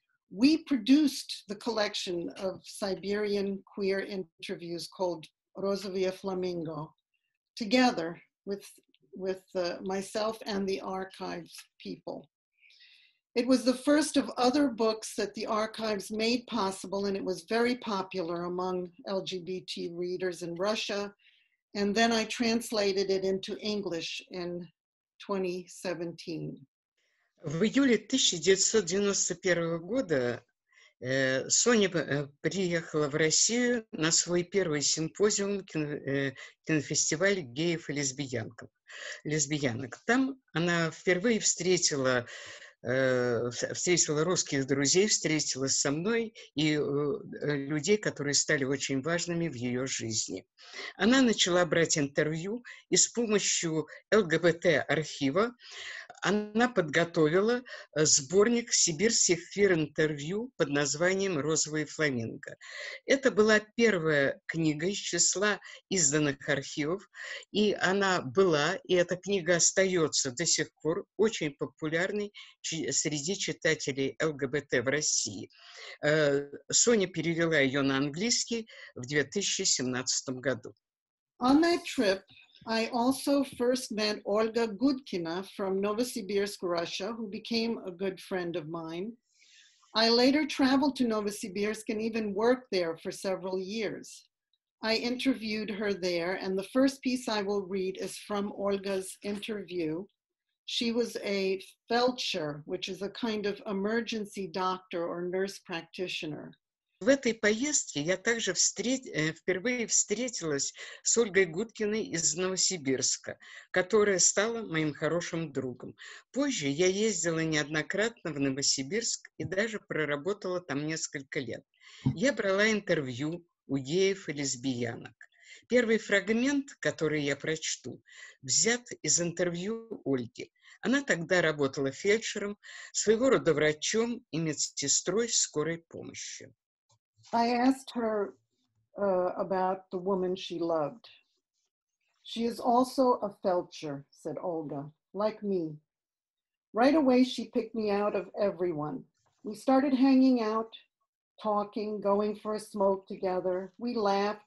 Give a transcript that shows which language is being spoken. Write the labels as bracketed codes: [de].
[en] we produced the collection of Siberian queer interviews called Rozovye Flamingo together with myself and the archives people. It was the first of other books that the archives made possible, and it was very popular among LGBT readers in Russia. And then I translated it into English in 2017. [ru] В июле 1991 года Соня приехала в Россию на свой первый симпозиум кинофестиваль геев и лесбиянок. Там она впервые встретила русских друзей, встретилась со мной и людей, которые стали очень важными в ее жизни. Она начала брать интервью, и с помощью ЛГБТ-архива она подготовила сборник сибирских квир-интервью под названием «Розовые фламинго». Это была первая книга из числа изданных архивов, и она была, и эта книга остается до сих пор очень популярной среди читателей ЛГБТ в России. Соня перевела ее на английский в 2017 году. [en] On that trip, I also first met Olga Gudkina from Novosibirsk, Russia, who became a good friend of mine. I later traveled to Novosibirsk and even worked there for several years. I interviewed her there, and the first piece I will read is from Olga's interview. She was a felcher, which is a kind of emergency doctor or nurse practitioner. [ru] В этой поездке я также впервые встретилась с Ольгой Гудкиной из Новосибирска, которая стала моим хорошим другом. Позже я ездила неоднократно в Новосибирск и даже проработала там несколько лет. Я брала интервью у геев и лесбиянок. Первый фрагмент, который я прочту, взят из интервью Ольги. Она тогда работала фельдшером, своего рода врачом и медсестрой скорой помощи. [en] I asked her about the woman she loved. She is also a felcher, said Olga, like me. Right away, she picked me out of everyone. We started hanging out, talking, going for a smoke together. We laughed.